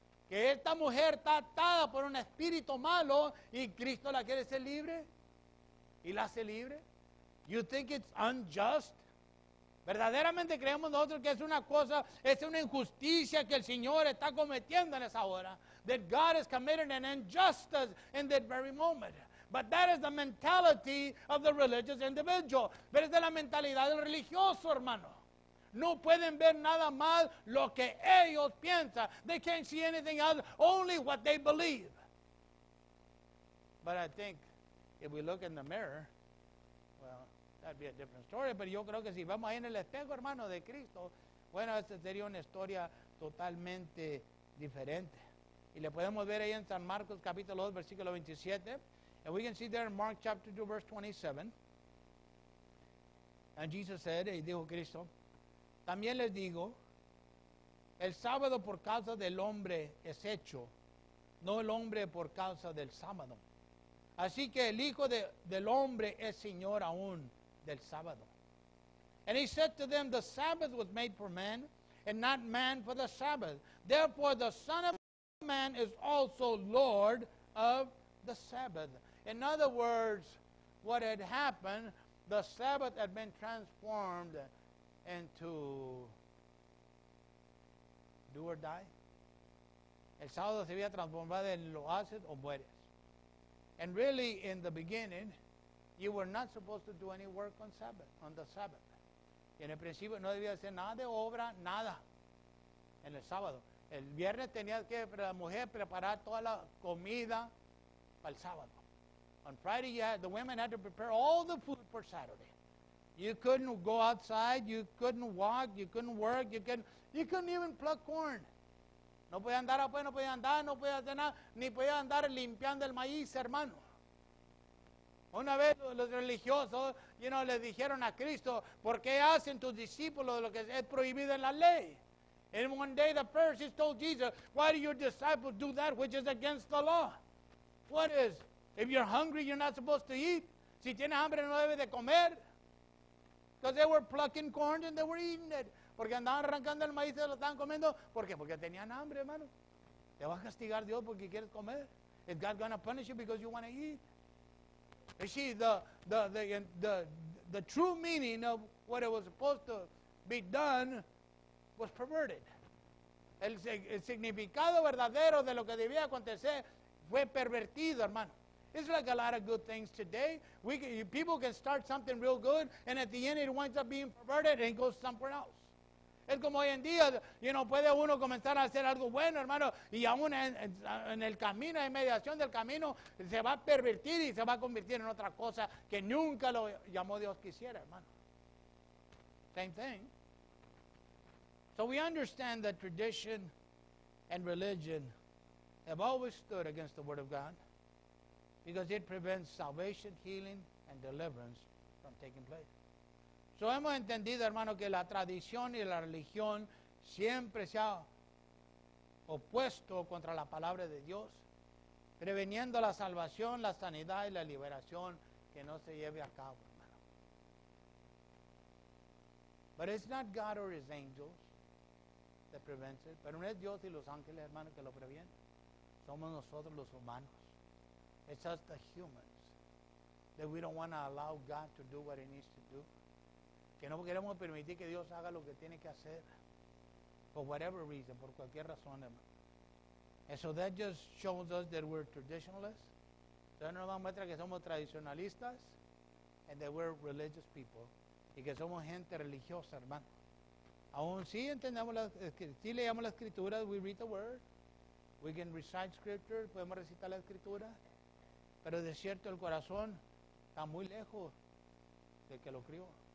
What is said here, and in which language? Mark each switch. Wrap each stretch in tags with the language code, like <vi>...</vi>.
<es>¿Que esta mujer está atada por un espíritu malo y Cristo la quiere ser libre? ¿Y la hace libre?</es> <en>You think it's unjust?</en> <es>¿Verdaderamente creemos nosotros que es una cosa, es una injusticia que el Señor está cometiendo en esa hora?</es> <en>That God is committing an injustice in that very moment. But that is the mentality of the religious individual.</en> <es>Pero es de la mentalidad del religioso, hermano. No pueden ver nada más lo que ellos piensan.</es> <en>They can't see anything else, only what they believe. But I think if we look in the mirror, well, that'd be a different story.</en> <es>Pero yo creo que si vamos ahí en el espejo, hermano, de Cristo, bueno, esa sería una historia totalmente diferente. Y le podemos ver ahí en San Marcos capítulo 2, versículo 27.</es> <en>And we can see there in Mark chapter 2, verse 27. And Jesus said,</en> <es>y dijo Cristo, también les digo, el sábado por causa del hombre es hecho, no el hombre por causa del sábado. Así que el Hijo del hombre es Señor aún del sábado.</es> <en>And he said to them, the Sabbath was made for man, and not man for the Sabbath. Therefore the Son of Man is also Lord of the Sabbath. In other words, what had happened, the Sabbath had been transformed into do or die.</en> <es>El sábado se había transformado en lo haces o mueres.</es> <en>And really, in the beginning, you were not supposed to do any work on Sabbath, on the Sabbath.</en> <es>En el principio no debía hacer nada de obra, nada. En el sábado. El viernes tenía que la mujer preparar toda la comida para el sábado.</es> <en>On Friday, the women had to prepare all the food for Saturday. You couldn't go outside, you couldn't walk, you couldn't work, you couldn't even pluck corn.</en> <es>No podía andar afuera, no podía andar, no podía hacer nada, ni podía andar limpiando el maíz, hermano. Una vez los religiosos,</es> <en>you know,</en> <es>le dijeron a Cristo, ¿por qué hacen tus discípulos lo que es prohibido en la ley?</es> <en>And one day the Pharisees told Jesus, why do your disciples do that which is against the law? What is? If you're hungry, you're not supposed to eat.</en> <es>Si tienes hambre, no debes de comer.</es> <en>Because they were plucking corn and they were eating it.</en> <es>Porque andaban arrancando el maíz y lo estaban comiendo. ¿Por qué? Porque tenían hambre, hermano. Te va a castigar Dios porque quieres comer.</es> <en>Is God going to punish you because you want to eat? You see, the true meaning of what it was supposed to be done was perverted.</en> <es>El significado verdadero de lo que debía acontecer fue pervertido, hermano.</es> <en>It's like a lot of good things today. People can start something real good, and at the end it winds up being perverted and it goes somewhere else.</en> <es>Es como hoy en día,</es> <en>you know,</en> <es>puede uno comenzar a hacer algo bueno, hermano, y aún en el camino, en mediación del camino, se va a pervertir y se va a convertir en otra cosa que nunca lo llamó Dios quisiera, hermano.</es> <en>Same thing. So we understand that tradition and religion have always stood against the Word of God because it prevents salvation, healing, and deliverance from taking place.</en> <es>So hemos entendido, hermano, que la tradición y la religión siempre se ha opuesto contra la palabra de Dios, preveniendo la salvación, la sanidad y la liberación que no se lleve a cabo, hermano.</es> <en>But it's not God or His angels that prevents it.</en> <es>Pero no es Dios y los ángeles, hermano, que lo previenen. Somos nosotros los humanos.</es> <en>It's us, the humans, that we don't want to allow God to do what He needs to do.</en> <es>Que no queremos permitir que Dios haga lo que tiene que hacer.</es> <en>For whatever reason,</en> <es>por cualquier razón, hermano.</es> <en>And so that just shows us that we're traditionalists.</en> <es>Entonces nos muestra que somos tradicionalistas</es> <en>and that we're religious people.</en> <es>y que somos gente religiosa, hermano. Aún sí entendemos, sí leemos la escritura,</es> <en>we read the word, we can recite scripture,</en> <es>podemos recitar la escritura, pero de cierto el corazón está muy lejos del que lo crió.</es>